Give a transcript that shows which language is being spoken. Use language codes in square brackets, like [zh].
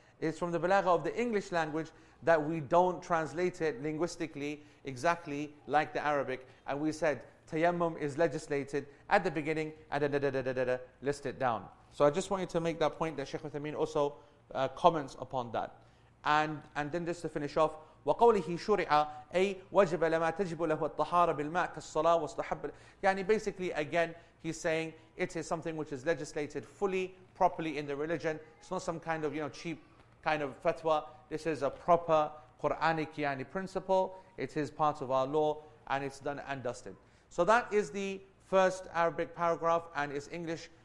[en] It's from the balagha of the English language that we don't translate it linguistically exactly like the Arabic. And we said, tayammum is legislated at the beginning, and then da-da-da-da-da-da, list it down. So I just wanted to make that point that Sheikh Uthaymeen also comments upon that. And then just to finish off, [ar] وقوله شرع أي وجب لما تجب له الطهارة بالماء كالصلاة واستحب. [en] يعني basically again he's saying it is something which is legislated fully properly in the religion. It's not some kind of, you know, cheap kind of fatwa. This is a proper Quranic yani principle. It is part of our law and it's done and dusted. So that is the first Arabic paragraph and it's English.